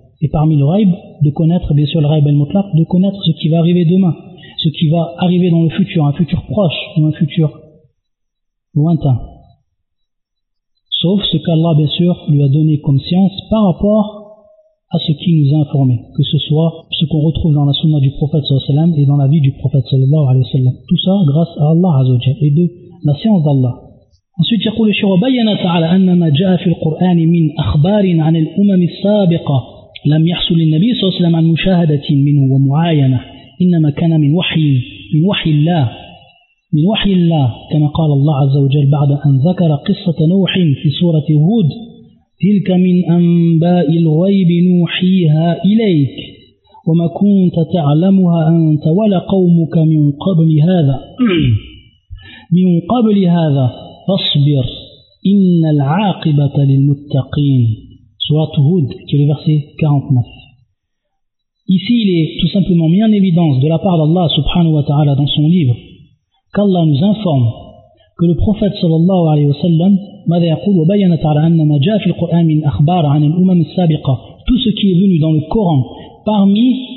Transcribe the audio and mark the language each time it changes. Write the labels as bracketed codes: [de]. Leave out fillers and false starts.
[fr] Et parmi le raïb, de connaître, bien sûr, le raïb al-Mutlaq, de connaître ce qui va arriver demain, ce qui va arriver dans le futur, un futur proche ou un futur lointain. Sauf ce qu'Allah, bien sûr, lui a donné comme science par rapport à ce qu'il nous a informé, que ce soit ce qu'on retrouve dans la sunna du prophète sallallahu alayhi wa sallam et dans la vie du prophète sallallahu alayhi wa sallam. Tout ça grâce à Allah azza wa jalla et de la science d'Allah. [ar] Ensuite, يقول الشيخ بينا تعالى أن ما جاء في القرآن من أخبار عن الأمم السابقة لم يحصل للنبي صلى الله عليه وسلم مشاهدة منه ومعاينة إنما كان من وحي من وحي الله من وحي الله كما قال الله عز وجل بعد أن ذكر قصة نوح في سورة هود تلك من أنباء الغيب نوحيها إليك وما كنت تعلمها أنت ولا قومك من قبل هذا من قبل هذا فاصبر إن العاقبة للمتقين سورة هود كالفرسي 49. [fr] Ici, il est tout simplement mis en évidence de la part d'Allah subhanahu wa ta'ala dans son livre qu'Allah nous informe que le prophète sallallahu alayhi wa sallam [ar] ماذا يقول وبيّن تعالى أن ما جاء في القرآن من أخبار عن الأمم السابقة [fr] tout ce qui est venu dans le Coran parmi